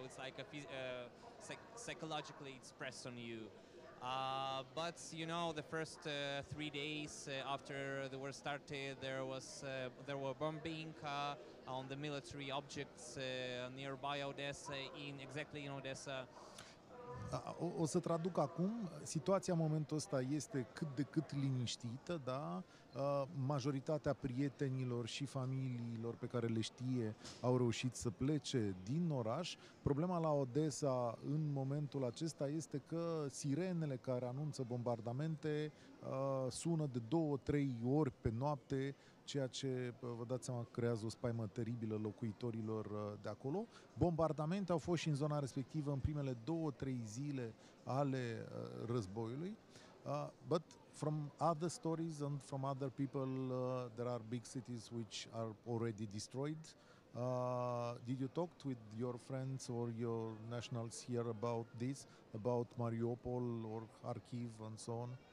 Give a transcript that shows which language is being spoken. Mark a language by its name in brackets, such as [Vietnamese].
[English] So it's like psychologically it's pressed on you. But you know, the first 3 days after the war started, there were bombing on the military objects nearby Odessa, in Odessa. [Romanian] O să traduc acum. Situația în momentul ăsta este cât de cât liniștită, da? Majoritatea prietenilor și familiilor pe care le știe au reușit să plece din oraș. Problema la Odessa în momentul acesta este că sirenele care anunță bombardamente sună de 2-3 ori pe noapte, ceea ce, vă dați seama, creează o spaimă teribilă locuitorilor de acolo. Bombardamente au fost și în zona respectivă în primele 2-3 zile ale războiului. [English] But from other stories and from other people, there are big cities which are already destroyed. Did you talk with your friends or your nationals here about this, about Mariupol or Kharkiv and so on?